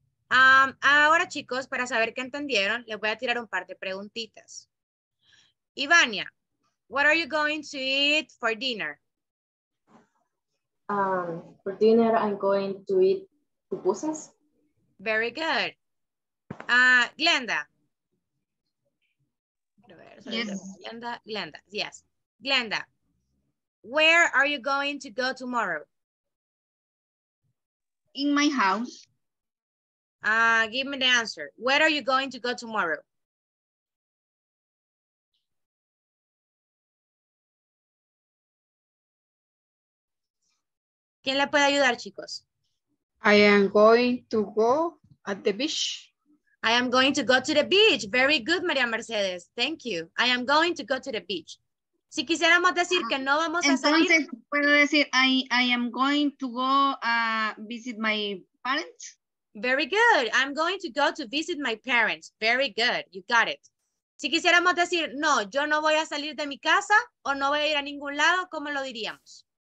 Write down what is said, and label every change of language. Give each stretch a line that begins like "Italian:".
Spanish: Ahora, chicos, para saber qué entendieron, les voy a tirar un par de preguntitas.
English: Ivania, what are you going to eat for dinner? For dinner, I'm going to eat pupusas. Very good. Glenda. Glenda, where are you going to go tomorrow? In my house. Give me the answer. Where are you going to go tomorrow?
Spanish: ¿Quién le puede ayudar, chicos?
English: I am going to go at the beach. I am going to go to the beach. Very good, María Mercedes. Thank you. I am going to go to the beach.
Spanish: Si quisiéramos decir que no vamos entonces, a salir. Entonces, ¿puedo decir
English: I am going to go visit my parents? Very good. I'm going to go to visit my parents. Very good. You got it.
Spanish: Si quisiéramos decir, no, yo no voy a salir de mi casa o no voy a ir a ningún lado, ¿cómo lo diríamos?